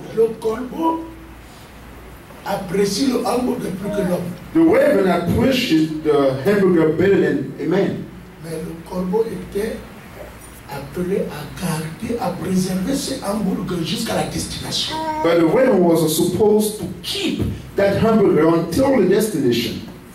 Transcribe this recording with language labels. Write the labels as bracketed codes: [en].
[en] The raven appreciated the hamburger better than a man. [fr] Mais le corbeau était appelé à garder, à préserver ce hamburger jusqu'à la destination. [en] But the raven was supposed to keep that hamburger until the destination.